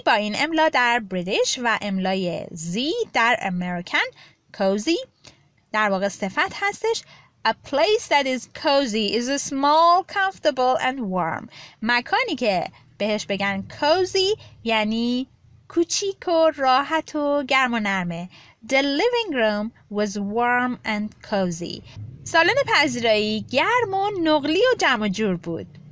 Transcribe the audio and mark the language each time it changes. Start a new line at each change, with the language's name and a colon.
Persian: با این املا در بریتیش و املای زی در امریکن. کوزی در واقع صفت هستش.
English: A place that is cozy is a small, comfortable and warm.
Persian: مکانی که بهش بگن کوزی یعنی کوچیک و راحت و گرم و نرمه.
English: The living room was warm and cozy.
Persian: سالن پذیرایی گرم و نقلی و جمع جور بود.